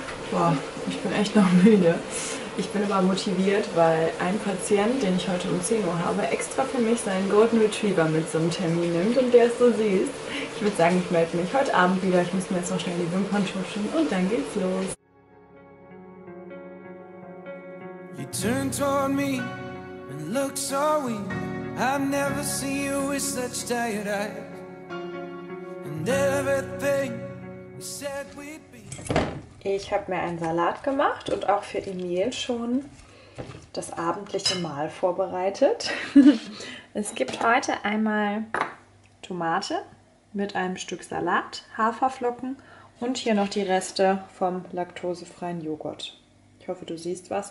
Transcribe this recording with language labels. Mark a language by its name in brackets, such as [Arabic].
[German] Boah, ich bin echt noch müde. Ich bin aber motiviert, weil ein Patient, den ich heute um 10 Uhr habe, extra für mich seinen Golden Retriever mit zum Termin nimmt und der ist so süß. Ich würde sagen, ich melde mich heute Abend wieder. Ich muss mir jetzt noch schnell die Wimpern tuschen und dann geht's los. [English] You turn toward me and look so weak. I've never seen you with such tired eyes. And everything you said we'd be. [German] Ich habe mir einen Salat gemacht und auch für Emil schon das abendliche Mahl vorbereitet. Es gibt heute einmal Tomate mit einem Stück Salat, Haferflocken und hier noch die Reste vom laktosefreien Joghurt. Ich hoffe, du siehst was.